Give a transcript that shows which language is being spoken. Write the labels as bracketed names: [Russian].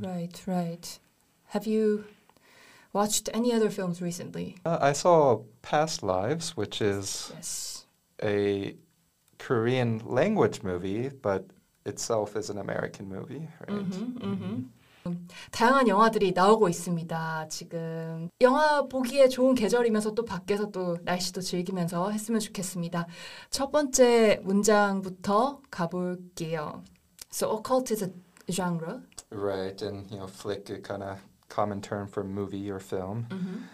[English] Right, right. Have you watched any other films recently? I saw Past Lives, which is a Korean language movie, but itself is an American movie, right? Mm-hmm. [Korean] 다양한 영화들이 나오고 있습니다. 지금 영화 보기에 좋은 계절이면서 또 밖에서 또 날씨도 즐기면서 했으면 좋겠습니다. 첫 번째 문장부터 가볼게요. [English] So occult is a genre. Right, and you know, flick kind of common term for movie or film. Mm-hmm.